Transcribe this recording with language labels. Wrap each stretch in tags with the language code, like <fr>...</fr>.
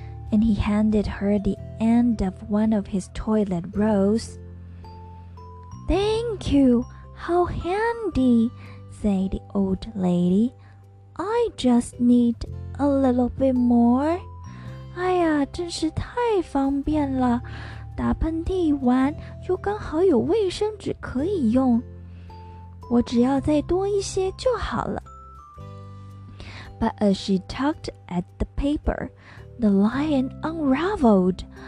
<en>And he handed her the end of one of his toilet rolls. Thank you, how handy, said the old lady. I just need a little bit more.</en> <zh>哎呀，真是太方便了，打喷嚏完就刚好有卫生纸可以用，我只要再多一些就好了。</zh> <en>But as she tugged at the paper,The lion unraveled.</en>